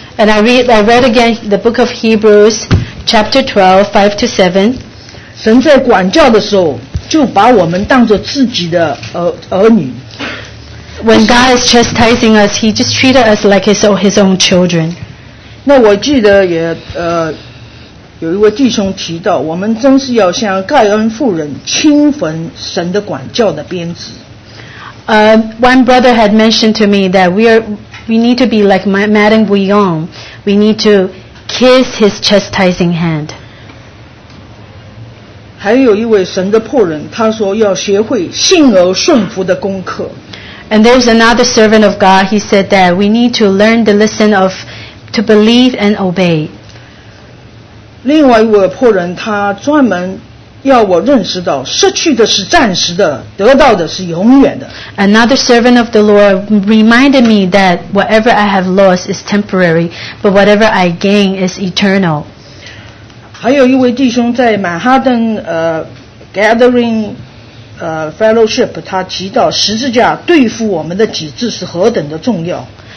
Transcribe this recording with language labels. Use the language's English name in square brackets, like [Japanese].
[English] And I read again the book of Hebrews, chapter 12, 5 to 7. [Chinese] 神在管教的时候就把我们当作自己的儿女。 [English] When God is chastising us, He just treated us like His own children. [Chinese] 那我记得有一位弟兄提到, 我们真是要像盖恩妇人, 亲吻神的管教的鞭子。 [English] One brother had mentioned to me that we need to be like Madame Bouillon. We need to kiss His chastising hand. [Chinese] 还有一位神的仆人, 他说要学会信而顺服的功课。 [English] And there's another servant of God, he said that we need to learn the lesson of to believe and obey. [Chinese] 另外一位仆人, 他专门要我认识到,失去的是暂时的,得到的是永远的。 [English] Another servant of the Lord reminded me that whatever I have lost is temporary, but whatever I gain is eternal. [Chinese] 还有一位弟兄在曼哈顿, [English] gathering fellowship, [Chinese] 他提到十字架对付我们的己志是何等的重要。